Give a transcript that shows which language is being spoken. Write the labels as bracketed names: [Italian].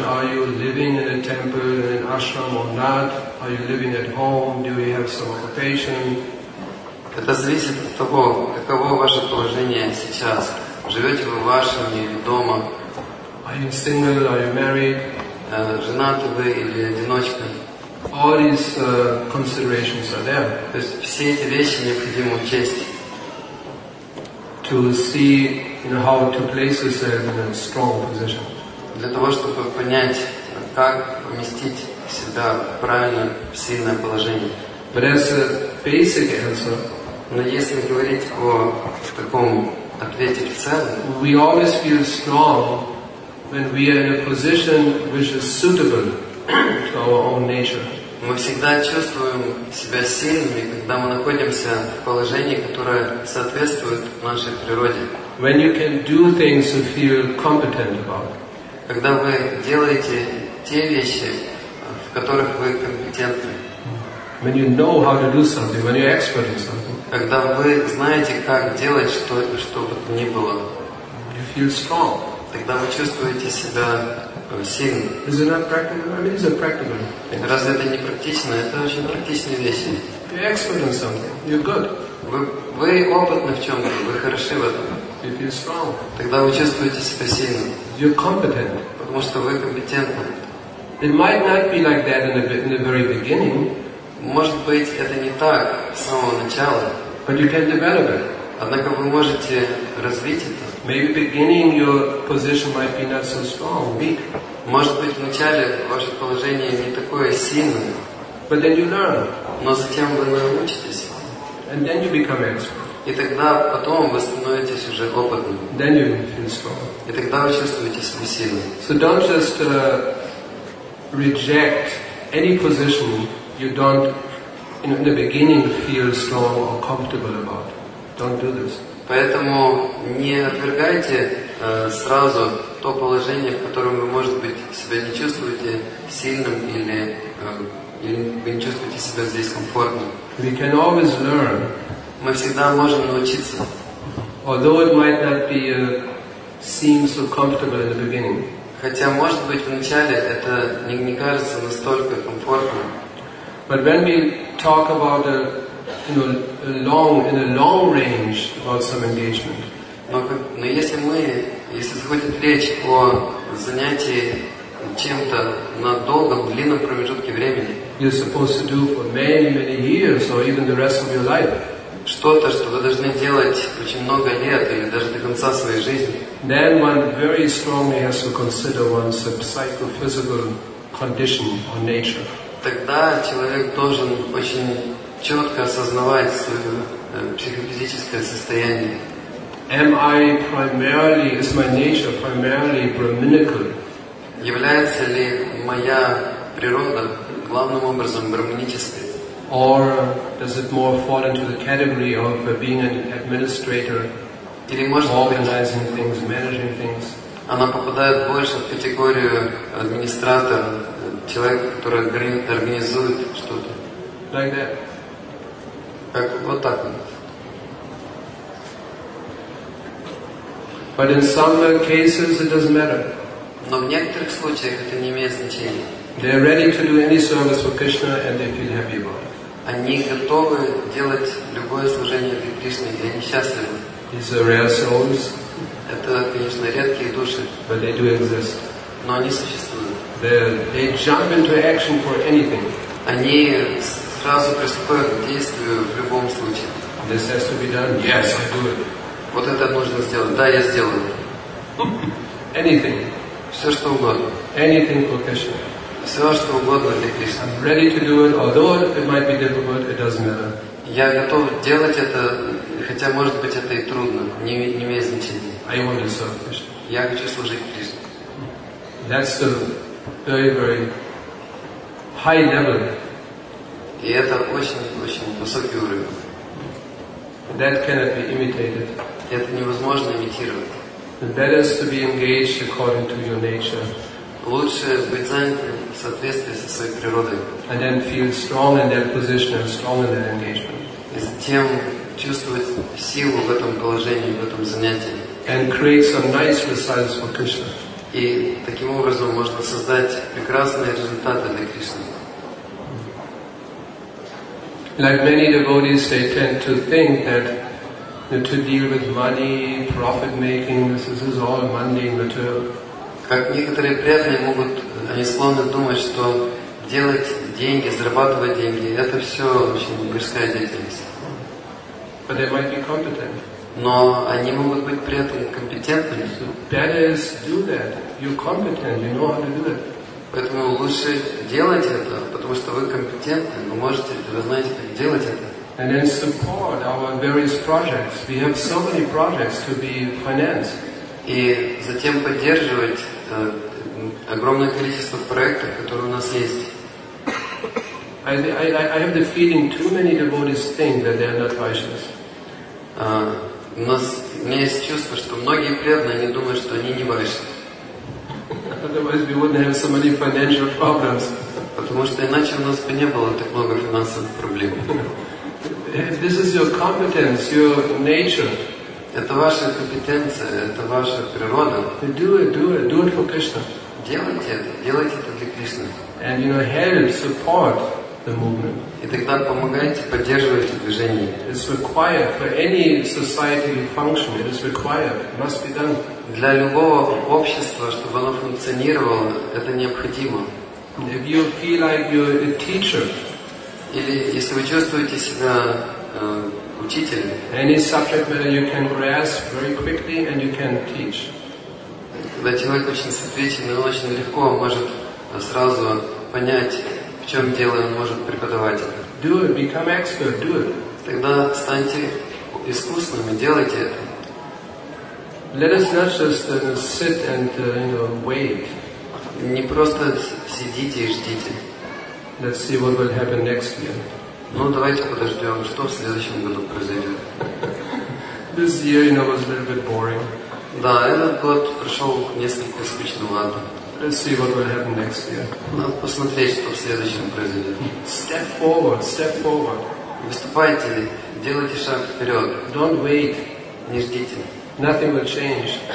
[English] Are you living in a temple, in an ashram or not? Are you living at home? Do you have some occupation? [Russian] Это зависит от того, каково ваше положение сейчас. Живете вы в вашем или дома? [English] Are you single? Are you married? [Russian] Женаты вы или одиночка? [English] All these considerations are there. [Russian] То есть все эти вещи необходимо учесть. [English] To see, you know, how to place yourself in a strong position. [Russian] Для того, чтобы понять, как поместить себя в правильное, в сильное положение. [English] But as a basic answer, [Russian] но если говорить о таком ответе в целом, [English] we always feel strong when we are in a position which is suitable to our own nature. [Russian] Мы всегда чувствуем себя сильными, когда мы находимся в положении, которое соответствует нашей природе. [English] When you can do things you feel competent about. [Russian] Когда вы делаете те вещи, в которых вы компетентны. [English] When you know how to do something, when you're expert in something. [Russian] Когда вы знаете, как делать что, что бы то ни было. [English] You feel strong. [Russian] Тогда вы чувствуете себя сильным. [English] Is it not practical? I mean, it's a practical thing. [Russian] Разве это не практично? Это очень практичные вещи. [English] You're expert in something. You're good. [Russian] Вы опытны в чем-то, вы хороши в этом. [English] You feel strong. [Russian] Тогда вы чувствуете себя сильным. [English] You're competent. [Russian] Потому что вы компетентны. [English] It might not be like that in the very beginning. [Russian] Может быть, это не так с самого начала. [English] But you can develop it. [Russian] Однако вы можете развить это. [English] Maybe beginning your position might be not so strong, weak. [Russian] Может быть, в начале ваше положение не такое сильное. [English] But then you learn. [Russian] Но затем вы научитесь. [English] And then you become expert. [Russian] И тогда потом вы становитесь уже опытным. [English] Then you feel strong. [Russian] И тогда вы чувствуете себя сильным. [English] So don't just reject any position you don't, in the beginning, feel strong or comfortable about. Don't do this. [Russian] Поэтому не отвергайте сразу то положение, в котором вы, может быть, себя не чувствуете сильным или вы не чувствуете себя здесь комфортно. [English] We can always learn. [Russian] Мы всегда можем научиться. [English] Although it might not be seem so comfortable in the beginning. [Russian] Хотя, может быть, вначале это не кажется настолько комфортным. [English] But when we talk about in a long range about some engagement. [Russian] Но если заходит речь о занятии чем-то на долгом, длинном промежутке времени, [English] you're supposed to do for many, many years or even the rest of your life. [Russian] Что-то, что вы должны делать очень много лет или даже до конца своей жизни. [English] Then one very strongly has to consider one's psychophysical condition or nature. [Russian] Тогда человек должен очень четко осознавать свое психофизическое состояние. [English] Am I primarily, is my nature primarily brahminical? [Russian] Является ли моя природа главным образом брахманической? [English] Or does it more fall into the category of being an administrator, [Russian] или, может, [English] organizing [Russian] быть, [English] things, managing things? [Russian] Она попадает больше в категорию администратора, человека, который организует что-то. [English] Like that. [Russian] Как вот так. [English] But in some cases it doesn't matter. [Russian] Но в некоторых случаях это не имеет значения. [English] They are ready to do any service for Krishna and they feel happy about it. [Russian] Они готовы делать любое служение для Кришны, и они счастливы. [English] These are rare souls. [Russian] Это, конечно, редкие души. [English] But they do exist. [Russian] Но они существуют. [English] They jump into action for anything. [Russian] Они сразу приступают к действию в любом случае. [English] This has to be done. Yes, I do it. [Russian] Вот это нужно сделать. Да, я сделаю. [English] Anything. [Russian] Все, что угодно. [English] Anything for Krishna. [Russian] Все, что угодно для Кришны. [English] I'm ready to do it, although it might be difficult, it doesn't matter. [Russian] Я готов делать это, хотя, может быть, это и трудно. Не имеет значения. [English] I want to serve Krishna. [Russian] Я хочу служить Кришне. [English] That's the very, very high level. [Russian] И это очень-очень высокий уровень. [English] That cannot be imitated. [Russian] Это невозможно имитировать. [English] Better is to be engaged according to your nature. [Russian] Лучше быть занятым в соответствии со своей природой. [English] And then feel strong in that position and strong in that engagement. [Russian] И затем чувствовать силу в этом положении, в этом занятии. [English] And create some nice results for Krishna. [Russian] И таким образом можно создать прекрасные результаты для Кришны. [English] Like many devotees, they tend to think that to deal with money, profit making, this is all mundane material. [Russian] Как некоторые преданные могут, они склонны думать, что делать деньги, зарабатывать деньги, это все очень мирская деятельность. [English] But they might be competent. [Russian] Но они могут быть при этом компетентными. [English] So better do that. You're competent. You know how to do it. [Russian] Поэтому лучше делать это, потому что вы компетентны, вы можете, вы знаете, как делать это. [English] And then support our various projects. We have so many projects to be financed. [Russian] И затем поддерживать огромное количество проектов, которые у нас есть. [English] I have the feeling too many devotees think that they are not righteous. [Russian] У меня есть чувство, что многие преданные, они думают, что они не вайшны. [English] Otherwise we wouldn't have so many financial problems. [Russian] Потому что иначе у нас бы не было так много финансовых проблем. [English] This is your competence, your nature. [Russian] Это ваша компетенция, это ваша природа. [English] Do it for Krishna. [Russian] Делайте это для Кришны. [English] And you know, help, support the movement. [Russian] И тогда помогайте, поддерживайте движение. [English] It's required for any society to function. It is required. It must be done. [Russian] Для любого общества, чтобы оно функционировало, это необходимо. [English] If you feel like you're a teacher, [Russian] или если вы чувствуете себя учителем, [English] any subject matter you can grasp very quickly and you can teach. [Russian] Когда человек очень сосредоточен, он очень легко может сразу понять, в чем дело, он может преподавать это. [English] Do it, become expert, do it. [Russian] Тогда станьте искусным и делайте это. [English] Let us not just sit and wait. [Russian] Не просто сидите и ждите. [English] Let's see what will happen next year. [Russian] Ну, давайте подождем, что в следующем году произойдет. [English] This year, you know, was a little bit boring. [Russian] Да, этот год прошел несколько скучно, ладно. [English] Let's see what will happen next year. [Russian] Надо посмотреть, что в следующем произойдет. [English] Step forward, step forward. [Russian] Выступайте, делайте шаг вперед. [English] Don't wait. [Russian] Не ждите. [English] Nothing will change.